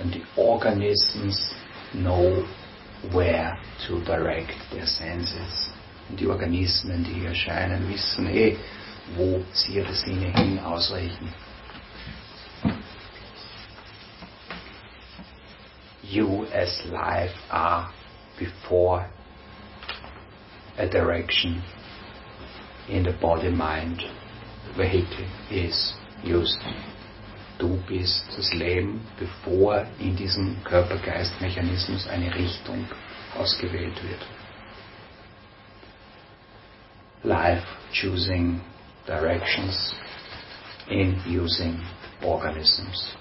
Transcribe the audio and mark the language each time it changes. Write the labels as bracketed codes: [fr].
[en] And the organisms know where to direct their senses. [de] Und die Organismen, die hier erscheinen, wissen eh, wo sie ihre Sinne hin ausrichten. [en] You as life are before a direction in the body-mind vehicle is used. [de] Du bist das Leben, bevor in diesem Körper-Geist-Mechanismus eine Richtung ausgewählt wird. [en] Life choosing directions in using organisms.